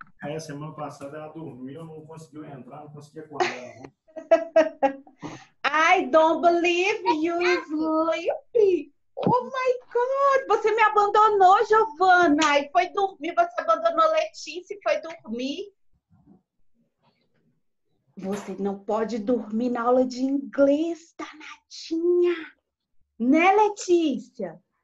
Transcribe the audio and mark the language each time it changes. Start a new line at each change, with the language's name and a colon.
Portuguese: Aí, a semana passada ela dormiu, não conseguiu entrar, não conseguia acordar. Não.
English: I don't believe you sleepy. Oh my God,
Portuguese: você me abandonou, Giovana, e foi dormir. Você abandonou Letícia e foi dormir. Você não pode dormir na aula de inglês, danadinha. Né, Letícia?